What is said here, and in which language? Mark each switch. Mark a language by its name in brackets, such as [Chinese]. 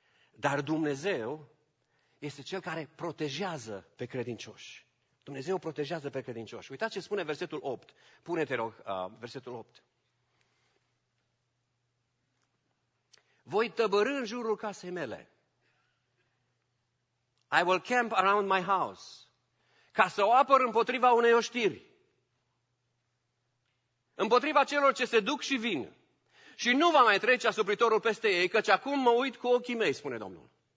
[Romanian] Dar Dumnezeu este cel care protejează pe credincioși. Dumnezeu protejează pe credincioși. Uitați ce spune versetul 8. Pune-te, rog, versetul 8. Voi tăbări în jurul casei mele. [English] I will camp around my house. [Romanian] Ca să o apăr împotriva unei oștiri. Împotriva celor ce se duc și vin. Și nu va mai trece asupritorul peste ei, căci acum mă uit cu ochii mei, spune Domnul.